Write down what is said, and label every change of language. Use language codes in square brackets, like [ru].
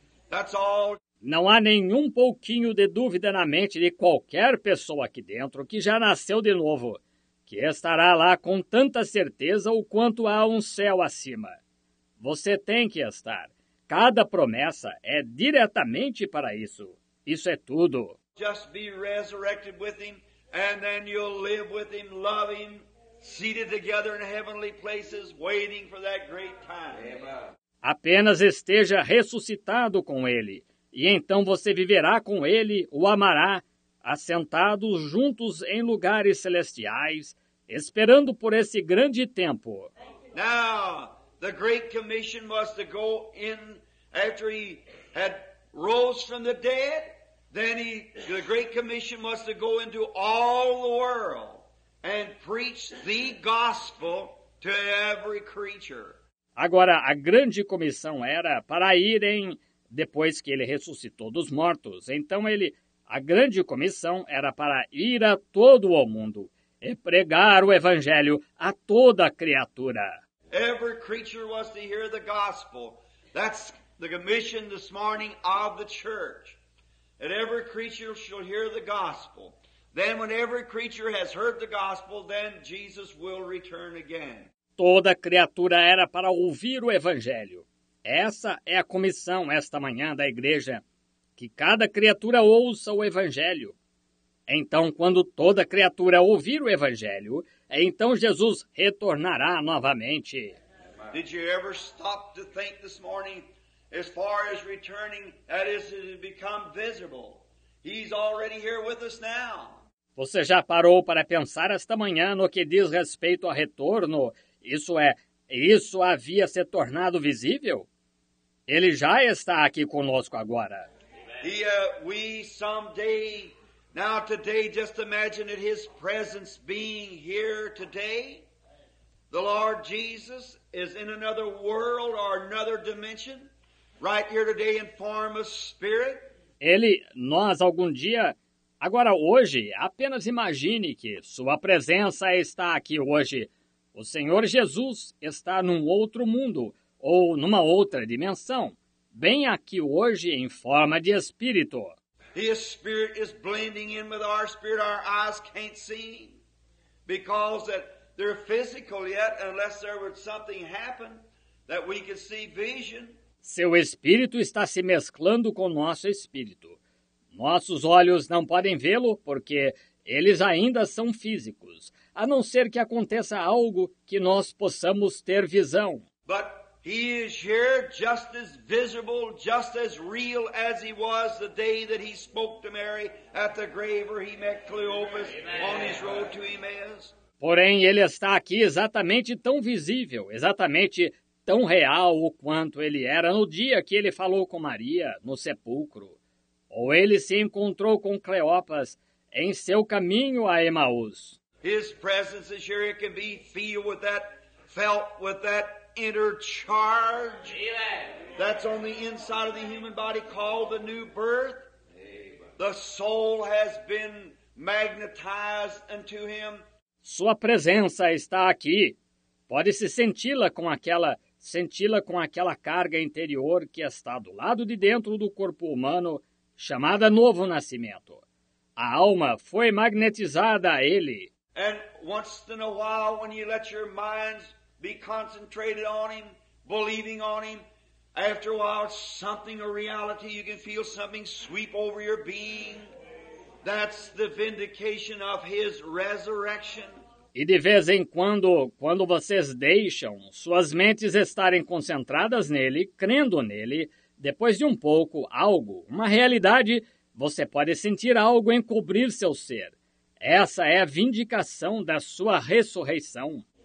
[en] That's all. [pt] Não há nenhum pouquinho de dúvida na mente de qualquer pessoa aqui dentro que já nasceu de novo, que estará lá com tanta certeza o quanto há um céu acima. Você tem que estar. Cada promessa é diretamente para isso. Isso é tudo. [en] Just be resurrected with him, and then you'll live with him, love him, seated together in heavenly places, waiting for that great time. Amen. [pt] Apenas esteja ressuscitado com ele, e então você viverá com ele, o amará, assentados juntos em lugares celestiais, esperando por esse grande tempo. [en] Now, the great commission was to go in after he had rose from the dead. Then the great commission was to go into all the world and preach the gospel to every creature. [pt] Agora, a grande comissão era para irem, depois que ele ressuscitou dos mortos, então ele, a grande comissão era para ir a todo o mundo e pregar o evangelho a toda criatura. [en] Every creature was to hear the gospel. That's the commission this morning of the church. That every creature shall hear the gospel. Then when every creature has heard the gospel, then Jesus will return again. [pt] Toda criatura era para ouvir o evangelho. Essa é a comissão esta manhã da igreja, que cada criatura ouça o evangelho. Então, quando toda criatura ouvir o evangelho, então Jesus retornará novamente. [en] Did you ever stop to think this morning, as far as returning, that is, it has become visible. He's already here with us now. [pt] Você já parou para pensar esta manhã no que diz respeito ao retorno? Isso é, isso havia se tornado visível? Ele já está aqui conosco agora. [en] We someday, now today, just imagine that his presence being here today. The Lord Jesus is in another world or another dimension. Right here today in form of spirit. [pt] Ele, nós algum dia, agora hoje, apenas imagine que sua presença está aqui hoje. O Senhor Jesus está num outro mundo, ou numa outra dimensão, bem aqui hoje em forma de espírito. [en] His spirit is blending in with our spirit. Our eyes can't see because that they're physical yet, unless there would something happen. That we could see vision. [pt] Seu espírito está se mesclando com nosso espírito. Nossos olhos não podem vê-lo porque eles ainda são físicos, a não ser que aconteça algo que nós possamos ter visão. [en] But he is here just as visible, just as real as he was the day that he spoke to Mary at the grave where he met Cleopas on his road to Emmaus. [pt] Porém, ele está aqui exatamente tão visível, exatamente tão real o quanto ele era no dia que ele falou com Maria no sepulcro. Ou ele se encontrou com Cleopas em seu caminho a Emaús. [en] His presence is here, it can be feel with that, felt with that inner charge. That's on the inside of the human body called the new birth. The soul has been magnetized unto him. [pt] Sua presença está aqui. Pode-se senti-la com aquela carga interior que está do lado de dentro do corpo humano, chamada novo nascimento. A alma foi magnetizada a ele. [en] And once in a while, when you let your minds be concentrated on him, believing on him, after a while, something, a reality, you can feel something sweep over your being. That's the vindication of his resurrection. [pt] E de vez em quando, quando vocês deixam suas mentes estarem concentradas nele, crendo nele, depois de um pouco, algo, uma realidade, você pode sentir algo encobrir seu ser. Essa é a vindicação da sua ressurreição.